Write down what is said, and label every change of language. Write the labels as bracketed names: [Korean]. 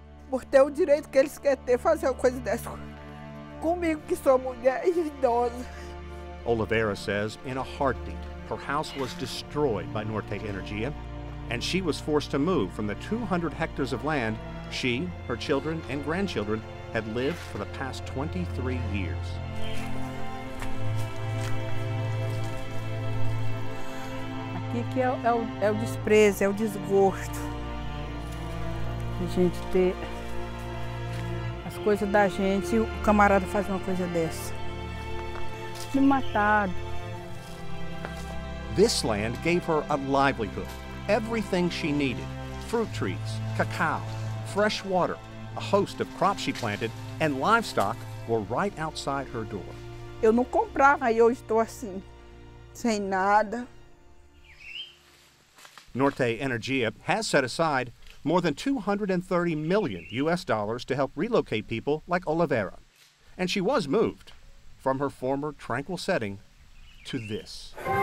[Portuguese] Botar o direito que eles querem ter, fazer uma coisa dessa comigo que sou mulher e idosa. [English] Oliveira says in a heartbeat, her house was destroyed by Norte Energia, and she was forced to move from the 200 hectares of land she, her children, and grandchildren had lived for the past 23 years. [Portuguese] Aqui que é o desprezo, é o desgosto de a gente ter as coisas da gente e o camarada faz uma coisa dessa. Me mataram. [English] This land gave her a livelihood, everything she needed, fruit trees, cacao, fresh water, a host of crops she planted, and livestock were right outside her door. [Portuguese] Eu não comprava, aí hoje estou assim, sem nada. [English] Norte Energia has set aside more than 230 million U.S. dollars to help relocate people like Oliveira. And she was moved from her former tranquil setting to this.